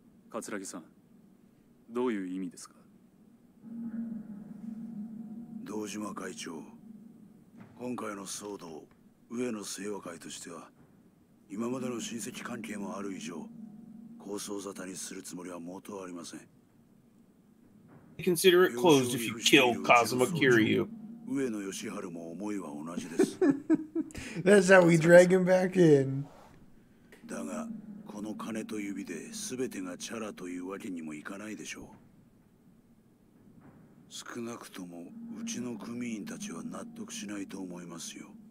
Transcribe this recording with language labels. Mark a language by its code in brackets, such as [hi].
[ja] 桂木さん、どういう意味ですか。堂島会長、今回の騒動、上野清和会としては今までの親戚関係もある以上、構想沙汰にするつもりは毛頭ありません。 [en] Consider it closed if you kill Kazuma Kiryu. [ja] 上野義晴も思いは同じです。 [en] That's how we drag him back in. [ja] だが、この金と指で全てがチャラというわけにもいかないでしょう。少なくともうちの組員たちは納得しないと思いますよ。